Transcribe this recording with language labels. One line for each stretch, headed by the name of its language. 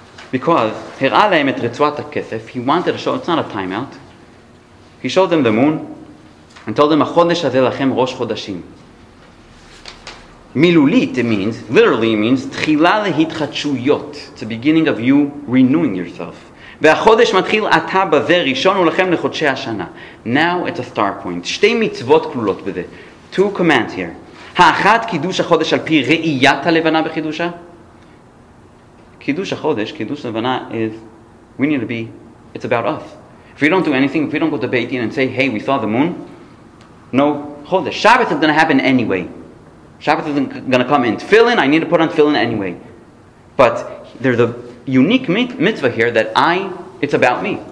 English: Because Hira lehem et ritzvat hakesef, he wanted to show, it's not a timeout. He showed them the moon and told them, HaChodesh hazeh lachem rosh chodashim. Milulit, it means, literally it means, Tchila lehitchatshuyot. It's the beginning of you renewing yourself.
Hebrew: והחודש מתחיל עתה בזה ראשון ולכם לחודשי השנה.
English: Now it's a star point. שתי מצוות כלולות בזה. Two commands here.
Hebrew: האחת, קידוש החודש על פי ראיית הלבנה בחידושה.
English: קידוש החודש, קידוש לבנה is, we need to be, it's about us. If we don't do anything, if we don't go to Beit Din and say, hey, we saw the moon, no חודש. Shabbat is going to happen anyway. Shabbat is going to come in. Tefillin, I need to put on tefillin anyway. But there's a unique mitzvah here that I, it's about me.